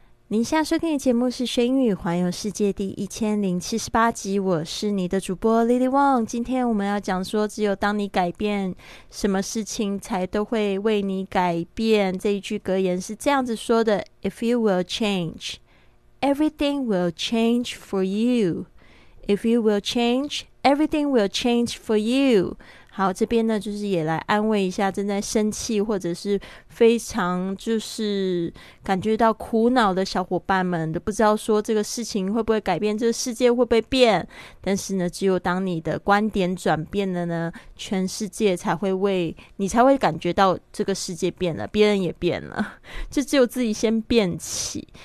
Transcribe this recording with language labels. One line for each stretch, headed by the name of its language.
Chinese: 您现在收听的节目是学英语环游世界第1078集，我是你的主播 Lily Wong。今天我们要讲说只有当你改变，什么事情才都会为你改变。这一句格言是这样子说的，
English: If you will change, everything will change for you. If you will change, everything will change for you.
Chinese: 好，这边呢就是也来安慰一下正在生气或者是非常就是感觉到苦恼的小伙伴们，都不知道说这个事情会不会改变，这个世界会不会变。但是呢只有当你的观点转变了呢，全世界才会为你，才会感觉到这个世界变了，别人也变了，就只有自己先变起。